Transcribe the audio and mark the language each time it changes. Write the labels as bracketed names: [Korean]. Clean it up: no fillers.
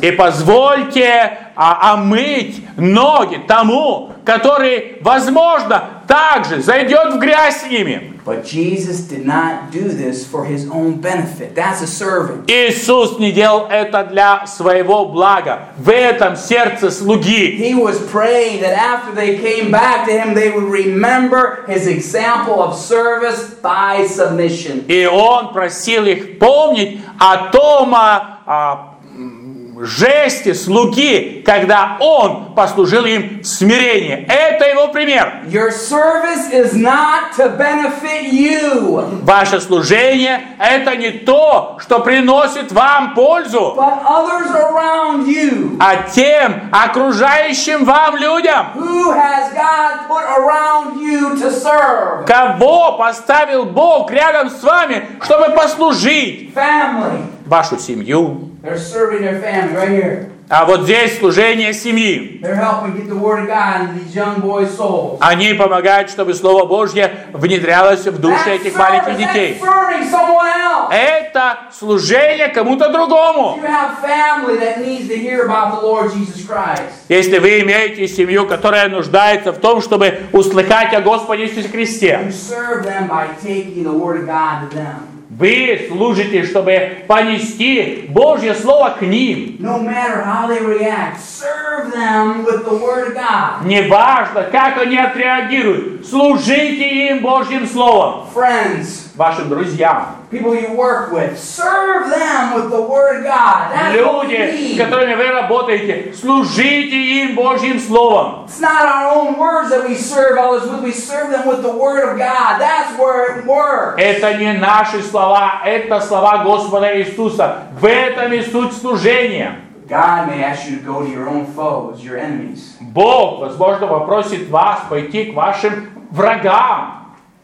[Russian] И позвольте омыть ноги тому, который, возможно, также зайдет в грязь с ними. [English] But Jesus did not do this for his own benefit. That's a servant. [Russian] Иисус не делал это для своего блага. В этом сердце слуги. [English] He was praying that after they came back to him, they would remember his example of service by submission. [Russian] И он просил их помнить о том жести слуги, когда он послужил им в смирении. Это его пример. [English] Your service is not to benefit you. [Russian] Ваше служение — это не то, что приносит вам пользу, [English] but others around you. [Russian] А тем окружающим вам людям. [English] Who has God put around you to serve? [Russian] Кого поставил Бог рядом с вами, чтобы послужить? [English] Family. [Russian] Вашу семью. [English] They're serving their family right here. [Russian] А вот здесь служение семьи. [English] They're helping get the word of God into these young boys' souls. [Russian] Они помогают, чтобы Слово Божье внедрялось в души этих маленьких детей. [English] That's serving someone else. [Russian] Это служение кому-то другому. [English] You have family that needs to hear about the Lord Jesus Christ. [Russian] Если вы имеете семью, которая нуждается в том, чтобы услыхать о Господе Иисусе Христе. [English] You serve them by taking the word of God to them. [Russian] Вы служите, чтобы понести Божье Слово к ним. [English] No matter how they react, serve them with the word of God. [Russian] Не важно, как они отреагируют. Служите им Божьим Словом. [English] Friends. [Russian] Вашим друзьям. [English] People you work with, serve them with the word of God. That's [Russian] люди, [English] what we need. [Russian] С которыми вы работаете, служите им Божьим Словом. [English] It's not our own words that we serve others with. We serve them with the word of God. That's where it works. [Russian] Это не наши слова, это слова Господа Иисуса. В этом и суть служения. [English] God may ask you to go to your own foes, your enemies. [Russian] Бог, возможно, попросит вас пойти к вашим врагам.